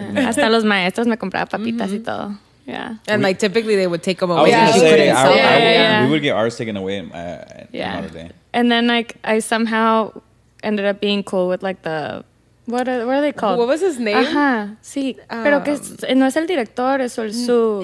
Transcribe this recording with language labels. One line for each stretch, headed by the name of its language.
Spanish: Hasta los maestros me compraba papitas y todo.
English: Yeah. And like, typically they would take them away. I was going to say, we would get ours taken away another day. And then like, I somehow ended up being cool with like the... What are they called? What was his name?
Spanish: Sí. Pero que es, no es el director, es el su...